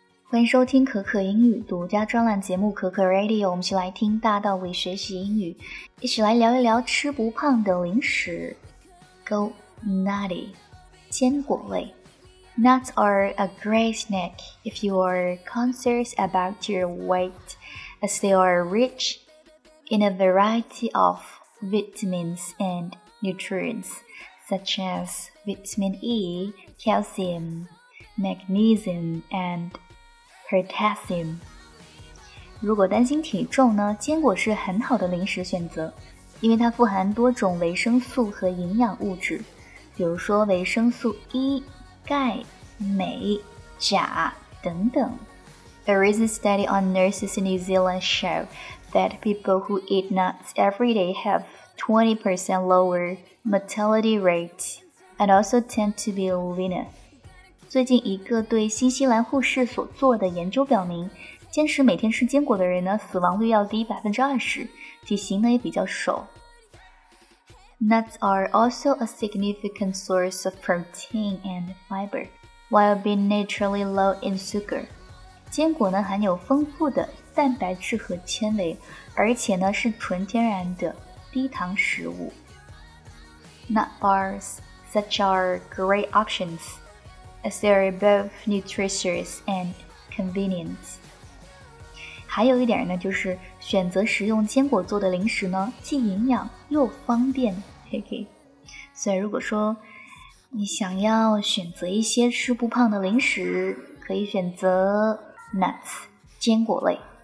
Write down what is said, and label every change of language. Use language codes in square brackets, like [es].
[zh] 欢迎收听可可英语独家专栏节目可可 Radio， 我们一起来听大道理学习英语，一起来聊一聊吃不胖的零食。 [en] Go nutty， [zh] 坚果类。 [en] Nuts are a great snack if you are conscious about your weight, as they are rich in a variety of vitamins and nutrients, such as vitamin E, calcium, magnesium, and potassium. [zh] 如果担心体重呢，坚果是很好的零食选择，因为它富含多种维生素和营养物质，比如说维生素 E、钙、镁、钾等等。 [en] A recent study on nurses in New Zealand showed that people who eat nuts every day have 20% lower mortality rate and also tend to be leaner. [zh] 最近一个对新西兰护士所做的研究表明，坚持每天吃坚果的人呢，死亡率要低 20%， 体型呢也比较瘦。 [en] Nuts are also a significant source of protein and fiber, while being naturally low in sugar. [zh] 坚果呢含有丰富的蛋白质和纤维，而且呢是纯天然的低糖食物。 [en] Nut bars such are great options, as they are both nutritious and convenient. [zh] 还有一点呢，就是选择食用坚果做的零食呢，既营养又方便。嘿嘿，所以如果说你想要选择一些吃不胖的零食，可以选择Nuts, 坚果类。